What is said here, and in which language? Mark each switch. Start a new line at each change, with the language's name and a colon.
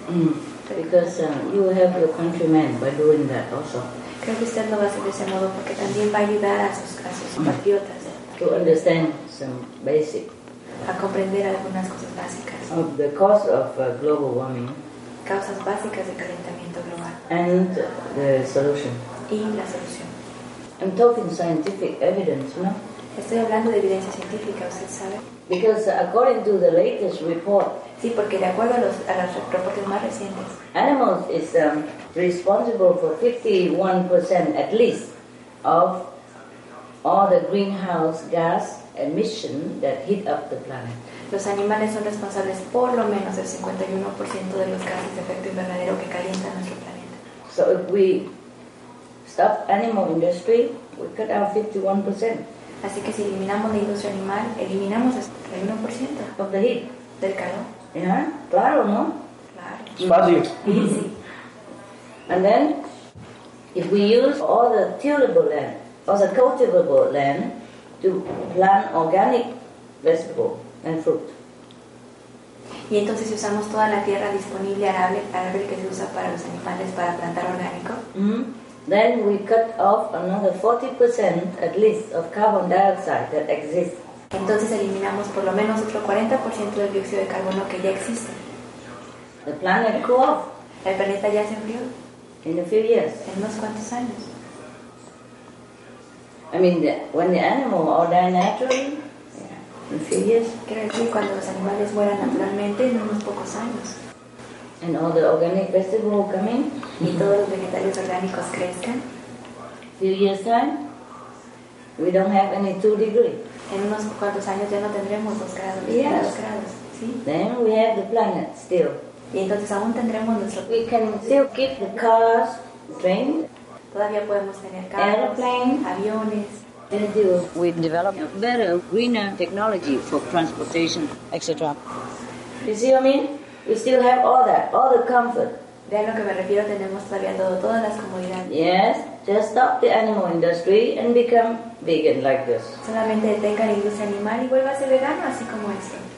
English: Mm, because you help your countrymen by doing that also.
Spanish: Creo que usted lo va a hacer de ese modo porque también va a ayudar a sus patriotas.
English: To understand some basic.
Spanish: A comprender algunas cosas básicas.
English: Of the cause of global warming.
Spanish: Causas básicas de calentamiento global.
English: And the solution.
Spanish: Y la solución.
English: I'm talking scientific evidence, you know?
Spanish: Estoy hablando de evidencia científica, ¿usted sabe?
English: Because according to the latest report,
Spanish: sí, porque de acuerdo a los reportes más recientes,
English: animals is responsible for 51% at least of all the greenhouse gas emission that hit up the planet.
Spanish: Los animales son responsables por lo menos del 51% de los gases de efecto invernadero que calientan nuestro planeta.
English: So if we stop animal industry, we cut out 51%.
Spanish: Así que si eliminamos la industria animal, eliminamos hasta el 1%
English: of the heat.
Spanish: Del calor.
English: Yeah,
Spanish: claro, ¿no? Claro. Es fácil.
English: Easy. And then, if we use all the tillable land, all the cultivable land, to plant organic vegetable and fruit.
Spanish: Y entonces si usamos toda la tierra disponible arable que se usa para los animales para plantar orgánico. Mm-hmm.
English: Then we cut off another 40% at least of carbon dioxide that exists.
Spanish: Entonces eliminamos por lo menos otro 40% del dióxido de carbono que ya existe.
English: The planet cool off.
Spanish: El planeta ya se enfrió.
English: In a few years.
Spanish: En unos cuantos años.
English: I mean, when the animal all die naturally, in a few years.
Spanish: Quiero decir, cuando los animales mueran naturalmente, en unos pocos años.
English: And all the organic vegetables come in.
Spanish: Y todos los vegetales orgánicos crezcan.
English: Few years time, we don't have any 2 degrees.
Spanish: En unos cuantos años ya no tendremos 2 grados.
English: Yes.
Spanish: 2 grados. Sí.
English: Then we have the planet still.
Spanish: Y entonces aún tendremos nuestro.
English: We can still keep the cars, trains.
Spanish: Todavía podemos tener carros.
English: Airplane.
Spanish: Aviones.
English: And we develop a better, greener technology for transportation, etc. You see what I mean? We still have all that, all the comfort.
Spanish: De lo que me refiero, tenemos todavía todo, todas las comodidades.
English: Yes, just stop the animal industry and become vegan like this.
Spanish: Solamente detenga la industria animal y vuelva a ser vegano, así como esto.